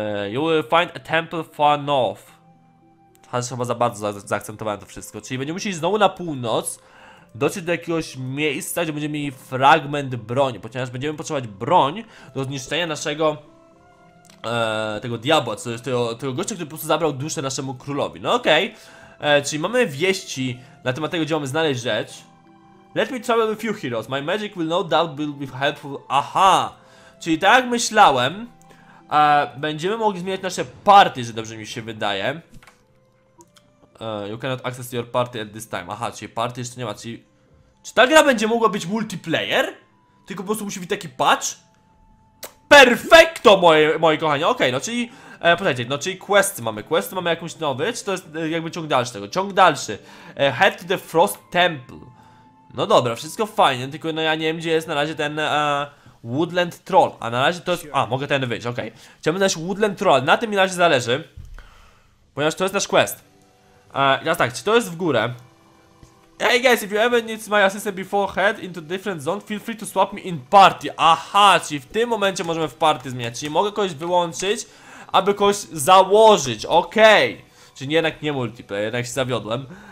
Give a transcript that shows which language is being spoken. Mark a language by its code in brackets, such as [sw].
[en] You will find a temple far north. [pl] Chociaż chyba za bardzo zaakcentowałem to wszystko. Czyli będziemy musieli znowu na północ dotrzeć do jakiegoś miejsca, gdzie będziemy mieli fragment broń. Ponieważ będziemy potrzebować broń do zniszczenia naszego tego diabła, co jest tego gościa, który po prostu zabrał duszę naszemu królowi. No okej. Okay. Czyli mamy wieści na temat tego, gdzie mamy znaleźć rzecz. [en] Let me travel with you heroes, my magic will no doubt be helpful. [pl] Aha, czyli tak jak myślałem, będziemy mogli zmieniać nasze party, że dobrze mi się wydaje. [en] You cannot access your party at this time. [pl] Aha, czyli party jeszcze nie ma, czyli... Czy ta gra będzie mogła być multiplayer? Tylko po prostu musi być taki patch? Perfekto, moi kochani, okej, okay, no czyli... Poczekajcie, no czyli questy mamy jakąś nowy, czy to jest jakby ciąg dalszy tego? Ciąg dalszy. [en] Head to the Frost Temple. [pl] No dobra, wszystko fajnie, tylko no ja nie wiem, gdzie jest na razie ten Woodland Troll. A na razie to jest... A, mogę ten wyjść, okej. Okay. Chciałbym znaleźć Woodland Troll, na tym mi na razie zależy. Ponieważ to jest nasz quest. Teraz tak, czy to jest w górę? [en] Hey guys, if you ever need my assistant before head into different zone, feel free to swap me in party. [pl] Aha, czyli w tym momencie możemy w party zmieniać, czyli mogę kogoś wyłączyć. Aby kogoś założyć, okej. Czyli jednak nie multiplayer, jednak się zawiodłem.